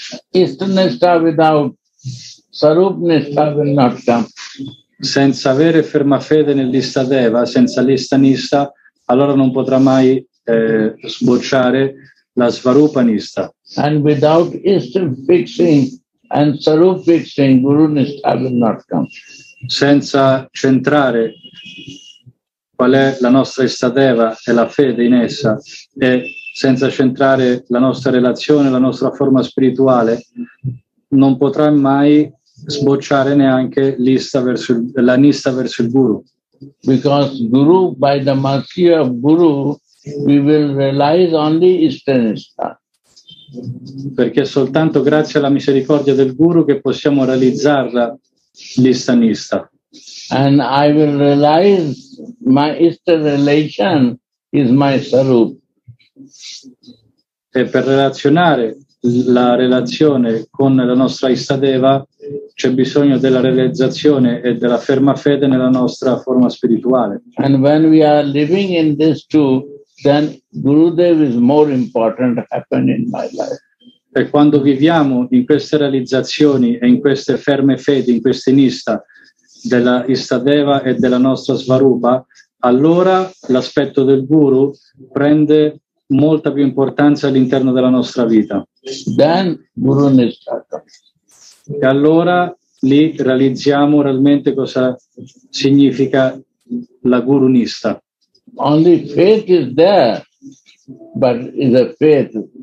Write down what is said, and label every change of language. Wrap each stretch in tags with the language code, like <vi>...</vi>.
<en>Ishta Nishtha without Sarup Nishtha will not come.</en> <it>Senza avere ferma fede nell'Ishta Deva, senza l'Ishta Nishtha, allora non potrà mai sbocciare la Svarupa Nishtha.</it> <en>And without Ishta fixing and Sarup fixing, Guru Nishtha will not come.</en> <it>Senza centrare qual è la nostra Ishta Deva e la fede in essa, e senza centrare la nostra relazione, la nostra forma spirituale, non potrà mai sbocciare neanche l'Ishta verso la Nishtha verso il Guru.</it> <en>Because Guru, by the mercy of Guru, we will realize only Ishta Nishtha.</en> <it>Perché è soltanto grazie alla misericordia del Guru che possiamo realizzarla l'Ishta Nishtha.</it> <en>And I will realize my Ishta relation is my Sarup.</en> <it>E per relazionare la relazione con la nostra Ishta Deva c'è bisogno della realizzazione e della ferma fede nella nostra forma spirituale.</it> <en>And when we are living in this too, then Gurudev is more important happen in my life.</en> <it>E quando viviamo in queste realizzazioni e in queste ferme fedi, in queste Nishtha della Ishta Deva e della nostra Svarupa, allora l'aspetto del Guru prende molta più importanza all'interno della nostra vita.</it> <en>Then Guru Nishtha.</en> <it>E allora lì realizziamo realmente cosa significa la Guru Nishtha.</it> <en>Only faith is there, but is a faith.</en>